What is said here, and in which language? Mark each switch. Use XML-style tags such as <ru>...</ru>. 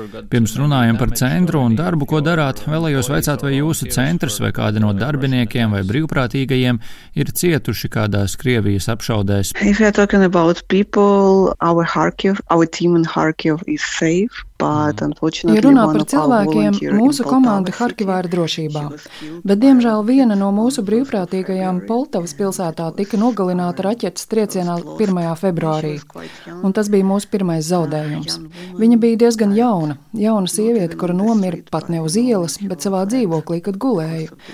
<lv>Pirms runājam par centru un darbu, ko darāt, vēlējos vaicāt, vai jūsu centrs vai kādi no darbiniekiem vai brīvprātīgajiem ir cietuši kādās Krievijas apšaudēs.</lv> <en>If you're talking about people, our team in Kharkiv is safe.</en> <lv>Ja runā par cilvēkiem, mūsu komanda Harkivā ir drošībā. Bet, diemžēl, viena no mūsu brīvprātīgajām Poltavas pilsētā tika nogalināta raķetes triecienā 1. februārī. Un tas bija mūsu pirmais zaudējums. Viņa bija diezgan jauna sieviete, kura nomira pat ne uz ielas, bet savā dzīvoklī, kad gulēja.</lv>